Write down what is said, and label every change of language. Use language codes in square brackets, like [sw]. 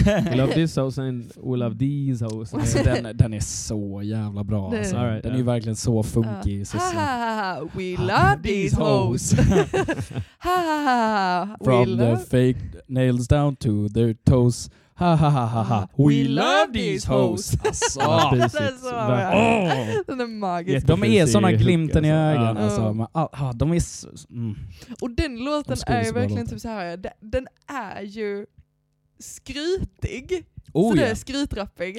[en] We Love These Hoes and We Love These Hoes. [sv] Alltså, den är så jävla bra. Den, alltså. [en] Right, [sv] den är verkligen så funky. Så, [en] ha, ha, ha. We Love These Hoes. Ha, ha, ha. From the fake nails down to their toes. Ha, ha, ha, ha. We love these hoes. [sv] Alltså, den är så bra. Den är magisk. De är såna glimten i ögonen. Alltså. De är så, Och den låten är verkligen låten. Typ så här. Den är ju skrytig. Oh, så ja. Det är skrytrappig.